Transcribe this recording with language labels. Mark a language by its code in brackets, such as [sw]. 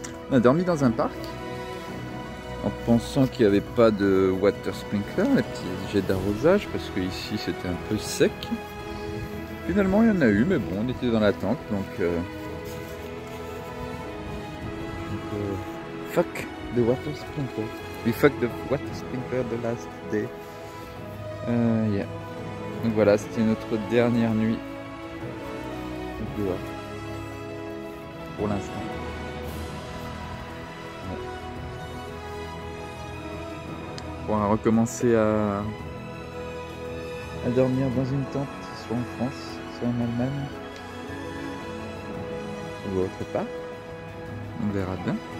[fr] On a dormi dans un parc en pensant qu'il n'y avait pas de water sprinkler, les petits jets d'arrosage, parce que ici c'était un peu sec. Finalement il y en a eu, mais bon, on était dans la tente, donc [en] fuck the water sprinkler. We fuck the water sprinkler the last day. [fr] Donc voilà, c'était notre dernière nuit pour l'instant. On va recommencer à dormir dans une tente, soit en France, soit en Allemagne, ou autre part. On verra bien.